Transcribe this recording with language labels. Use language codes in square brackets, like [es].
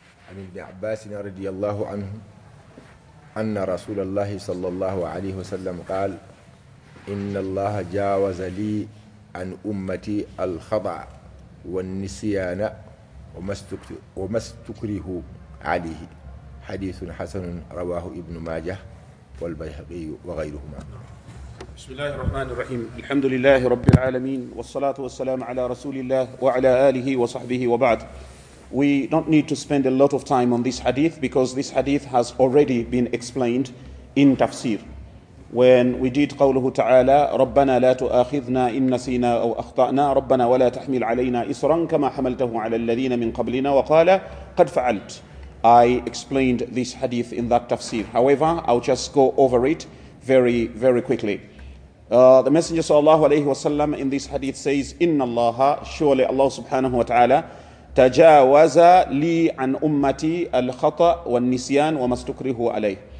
[ar] عن ابن عباس رضي الله عنه أن رسول الله صلى الله عليه وسلم قال إن الله جاوز لي عن أمتي الخضع والنسيان وما استكره عليه حديث حسن رواه ابن ماجه والبيهقي وغيرهما. بسم الله الرحمن الرحيم. الحمد لله رب العالمين والصلاة والسلام على رسول الله وعلى آله وصحبه وبعد. [en] We don't need to spend a lot of time on this hadith because this hadith has already been explained in tafsir. When we did [ar] قوله تعالى ربنا لا تؤاخذنا إن نسينا أو أخطأنا ربنا ولا تحمل علينا إصرا كما حملته على الذين من قبلنا وقال قد فعلت. [en] I explained this hadith in that tafsir. However, I'll just go over it very, very quickly. The Messenger [ar] sallallahu alayhi wa sallam [en] in this hadith says, [ar] إِنَّ اللَّهَ [en] surely Allah [ar] subhanahu wa ta'ala تَجَاوَزَ لِي عَنْ أُمَّتِي الْخَطَأ وَالنِّسْيَانِ وَمَا اسْتُكْرِهُ عَلَيْهِ.